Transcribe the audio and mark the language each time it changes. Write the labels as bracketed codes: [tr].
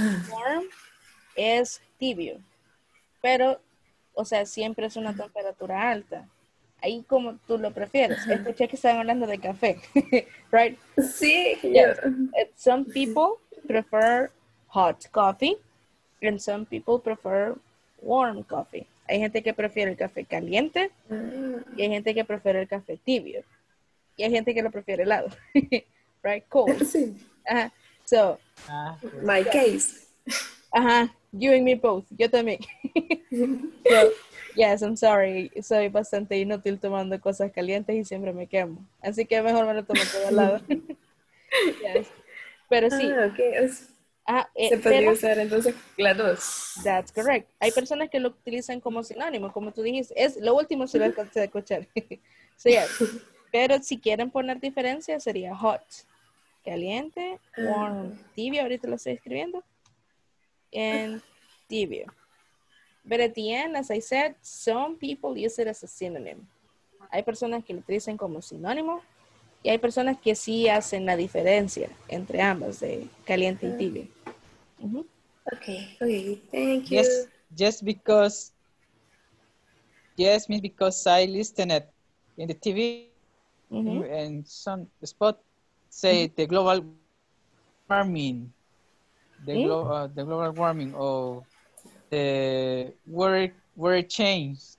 [es] Warm is tibio, pero, o sea, siempre es una temperatura alta. Ahí como tú lo prefieres. Escuché que estaban hablando de café, right? Sí. [en] Yes. Yeah. Some people prefer hot coffee, and some people prefer warm coffee. [es] Hay gente que prefiere el café caliente y hay gente que prefiere el café tibio. Y hay gente que lo prefiere helado. [en] Right? Cold. [es] Sí. [en] Uh-huh. So, my case. Uh-huh. You and me both. [es] Yo también. [en] So, yes, I'm sorry. [es] Soy bastante inútil tomando cosas calientes y siempre me quemo. Así que mejor me lo tomo todo helado. [en] Yes. [es] Pero sí. Okay. Se podría usar entonces las dos. [en] That's correct. [es] Hay personas que lo utilizan como sinónimo, como tú dijiste. Es lo último se lo alcancé a escuchar. [en] So, yes. [es] Pero si quieren poner diferencia, sería hot, caliente, warm, tibio. Ahorita lo estoy escribiendo. [en] And tibio. But at the end, as I said, some people use it as a synonym. [es] Hay personas que lo utilizan como sinónimo y hay personas que sí hacen la diferencia entre ambas, de caliente y tibio. [en] Okay, thank you. Yes, because I listened in the TV and some spot say the global warming, the global warming or the world change.